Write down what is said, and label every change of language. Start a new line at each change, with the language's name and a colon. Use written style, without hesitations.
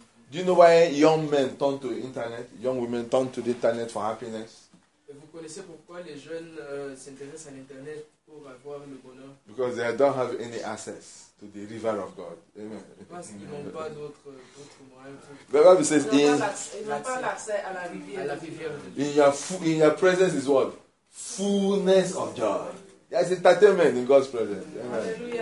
English: Do you know why young men turn to the internet? Young women turn to the internet for happiness?
French: Vous connaissez pourquoi les jeunes s'intéressent à l'internet pour avoir le bonheur?
English: Because they don't have any access to the river of God. Amen.
French: Parce qu'ils n'ont pas d'accès à la rivière.
English: In your presence is what? Fullness of joy. There's entertainment in God's presence. Amen.